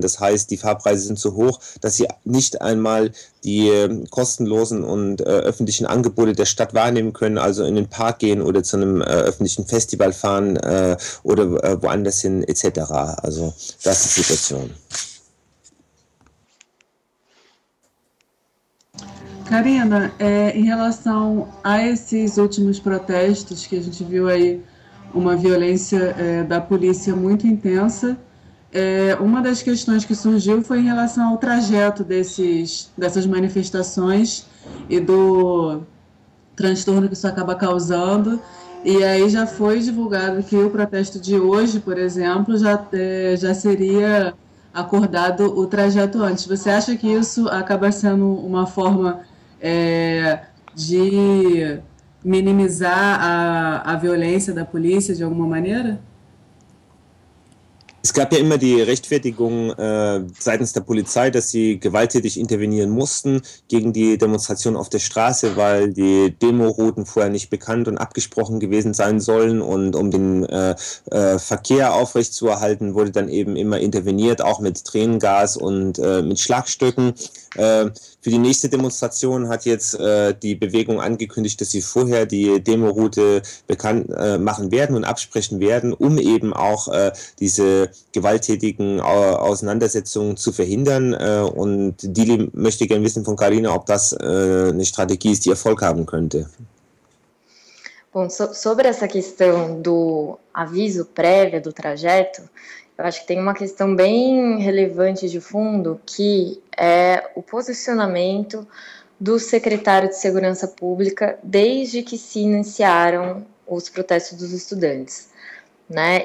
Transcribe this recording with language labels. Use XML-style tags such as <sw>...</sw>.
<de>Das heißt, die Fahrpreise sind so hoch, dass sie nicht einmal die kostenlosen und öffentlichen Angebote der Stadt wahrnehmen können, also in den Park gehen oder zu einem öffentlichen Festival fahren oder woanders hin etc. Also das ist die Situation.</de> <pt>Karina, em relação a esses últimos protestos, que a gente viu aí uma violência da polícia muito intensa, uma das questões que surgiu foi em relação ao trajeto dessas manifestações e do transtorno que isso acaba causando. E aí já foi divulgado que o protesto de hoje, por exemplo, já seria acordado o trajeto antes. Você acha que isso acaba sendo uma forma de minimizar a violência da polícia de alguma maneira?</pt> <de>Es gab ja immer die Rechtfertigung seitens der Polizei, dass sie gewalttätig intervenieren mussten gegen die Demonstration auf der Straße, weil die Demo-Routen vorher nicht bekannt und abgesprochen gewesen sein sollen. Und um den Verkehr aufrechtzuerhalten, wurde dann eben immer interveniert, auch mit Tränengas und mit Schlagstöcken. Für die nächste Demonstration hat jetzt die Bewegung angekündigt, dass sie vorher die Demo-Route bekannt machen werden und absprechen werden, um eben auch diese gewalttätigen Auseinandersetzungen zu verhindern. Und Dili möchte gerne wissen von Karina, ob das eine Strategie ist, die Erfolg haben könnte.</de> <pt>Bom, sobre essa questão do aviso prévio do trajeto, eu acho que tem uma questão bem relevante de fundo, que é o posicionamento do secretário de Segurança Pública desde que se iniciaram os protestos dos estudantes. Né?</pt>